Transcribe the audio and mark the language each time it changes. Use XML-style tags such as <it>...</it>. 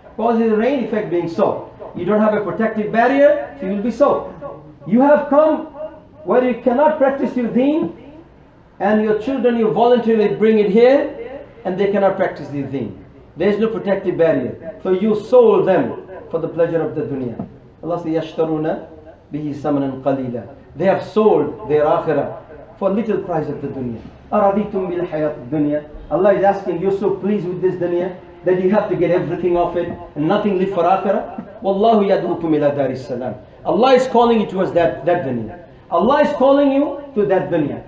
<en>Cause is the rain, effect being soaked. You don't have a protective barrier, so you'll be soaked. You have come where you cannot practice your deen, and your children, you voluntarily bring it here, and they cannot practice their deen. There is no protective barrier. So you sold them for the pleasure of the dunya. Allah says,</en> <ar>يَشْتَرُونَ بِهِ سَمَنًا قَلِيلًا.</ar> <en>They have sold their akhirah for little price of the dunya.</en> <ar>أَرَضِيْتُمْ بِالْحَيَاةِ الدُّنْيَا.</ar> <en>Allah is asking, you're so pleased with this dunya that you have to get everything off it and nothing left for akhirah.</en> <ar>وَاللَّهُ يَدْعُوكُمْ إِلَى دَارِ السَّلَامِ.</ar> <en>Allah is calling you towards that dunya. Allah is calling you to that dunya.</en>